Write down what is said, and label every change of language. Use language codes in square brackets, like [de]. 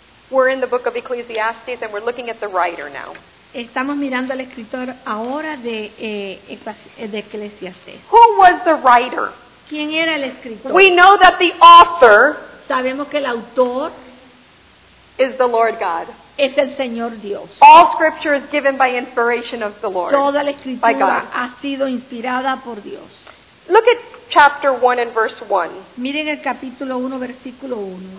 [en] We're in the book of Ecclesiastes and we're looking at the writer now. [es] Estamos mirando al escritor ahora de Eclesiastes. [en] Who was the writer? [es] ¿Quién era el escritor? [en] We know that the author. [es] Sabemos que el autor. [en] Is the Lord God. [es] Es el Señor Dios. [en] All scripture is given by inspiration of the Lord. [es] Toda la escritura ha sido inspirada por Dios. [en] Look at chapter 1 and verse 1. [es] Miren el capítulo 1, versículo 1.